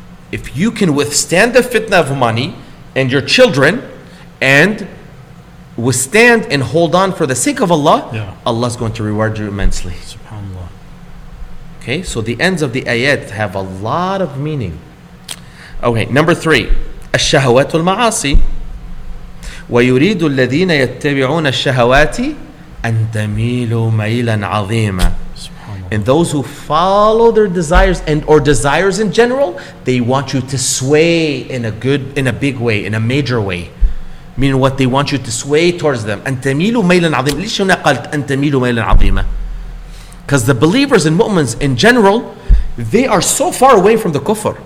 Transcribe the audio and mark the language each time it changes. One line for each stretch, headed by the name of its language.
English: If you can withstand the fitna of money and your children and withstand and hold on for the sake of Allah, yeah, Allah's going to reward you immensely. SubhanAllah. Okay, so the ends of the ayat have a lot of meaning. Okay, number three.
Arabic: الشهوات والمعاصي ويريد الذين يتبعون الشهوات أن تميلوا ميلا عظيما.
English: And those who follow their desires and or desires in general, they want you to sway in a good, in a big way, in a major way. Meaning what? They want you to sway towards them.
Arabic: أن تميلوا ميلا عظيما. ليش أنا قلت أن تميلوا ميلا عظيما؟
English: Because the believers and mu'mins in general, they are so far away from the kufr.